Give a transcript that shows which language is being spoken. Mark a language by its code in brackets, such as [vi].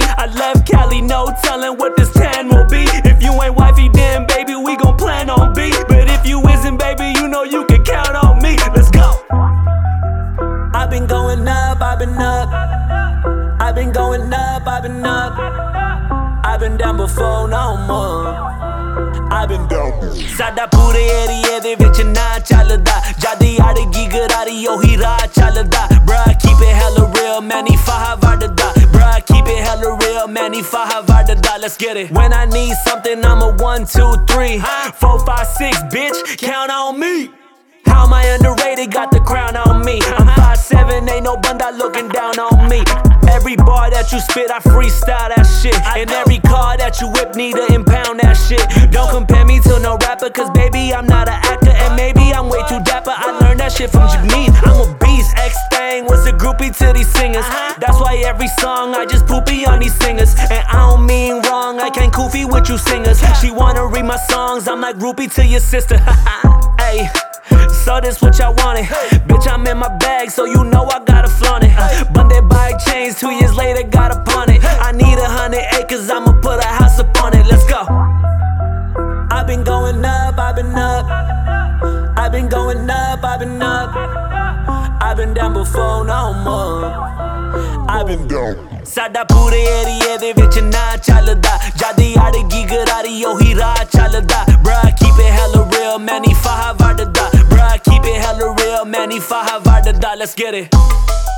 [en] I love Cali, no telling what this tan will be. If you ain't wifey, then baby, we gon' plan on B. But if you isn't, baby, you know you can count on me. Let's go. I've been going up, I've been up. I've been going up, I've been up. I've been down before, no more. [pa] ਸਾਡਾ ਪੂਰੇ ਏਰੀਏ ਦੇ ਵਿੱਚ ਨਾ ਚੱਲਦਾ, ਜਦ ਅੜਗੀ ਗਰਾਰੀ ਉਹੀ ਰਾਹ ਚੱਲਦਾ। [en] bro keep it hella real, [pa] ਮੈਂ ਨਹੀਂ ਫਾਹਾ ਵੱਢਦਾ। [en] Bro keep it hella real, ਮੈਂ ਨਹੀਂ ਫਾਹਾ ਵੱਢਦਾ। Let's get it. When I need something, I'm a 1, 2, 3, 4, 5, 6, bitch, count on me. How my underrated, got the crown on me. I'm 5'7", ain't no ਬੰਦਾ looking down on me. Every bar that you spit, I freestyle that shit. And every car that you whip, need to impound that shit. Don't compare me to no rapper, cause baby, I'm not an actor. And maybe I'm way too dapper, I learned that shit from Jameen. I'm a beast, X-Thang was a groupie to these singers. That's why every song, I just poopy on these singers. And I don't mean wrong, I can't koofy with you singers. She wanna read my songs, I'm like groupie to your sister. Ayy. So this what y'all wanted, hey. Bitch, I'm in my bag, so you know I gotta flaunt it, hey. Bundy bike chains, 2 years later, got upon it, hey. I need 100 acres, I'ma put a house upon it. Let's go. I've been going up, I've been up. I've been going up, I've been up. I've been down before, no more. I've been down. [pa] ਸਾਡਾ ਪੂਰੇ ਏਰੀਏ ਦੇ ਵਿੱਚ ਨਾ ਚੱਲਦਾ, ਜਦ ਅੜਗੀ ਗਰਾਰੀ ਉਹੀ ਰਾਹ ਚੱਲਦਾ। [en] bro keep it hella real, [pa] ਮੈਂ ਨਹੀਂ ਫਾਹਾ ਵੱਢਦਾ। [en] Bro keep it hella real, ਮੈਂ ਨਹੀਂ ਫਾਹਾ ਵੱਢਦਾ। Let's get it.